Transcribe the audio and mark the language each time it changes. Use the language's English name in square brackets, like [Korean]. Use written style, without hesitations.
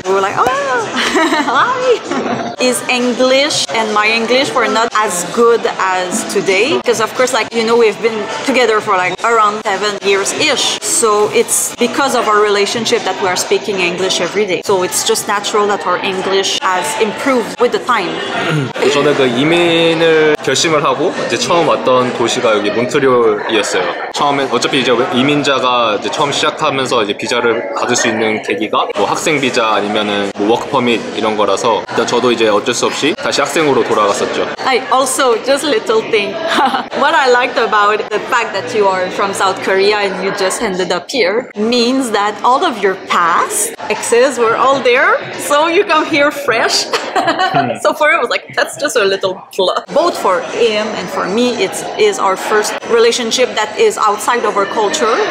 [English] We were like, oh, hi. His English and my English were not as good as today. Because of course, like, you know, we've been together for like around 7 years-ish. So it's because of our relationship that we are speaking English every day. So it's just natural that our English has improved with the time. [Korean] 저는 그 이민을 결심을 하고 이제 처음 왔던 도시가 여기 몬트리올이었어요. 처음에 어차피 이제 이민자가 이제 처음 시작하면서 이제 비자를 받을 수 있는 계기가 뭐 학생 비자 아니면은 뭐 워크 퍼밋 이런 거라서 일단 저도 이제 어쩔 수 없이 다시 학생으로 돌아갔었죠. [English] I also just little thing. What I liked about the fact that you are from South Korea and you just ended up here means that all of your past exes were all there, so you come here fresh. So for him, I was like, that's just a little plus. Both for him and for me, it is our first relationship that is outside of our culture.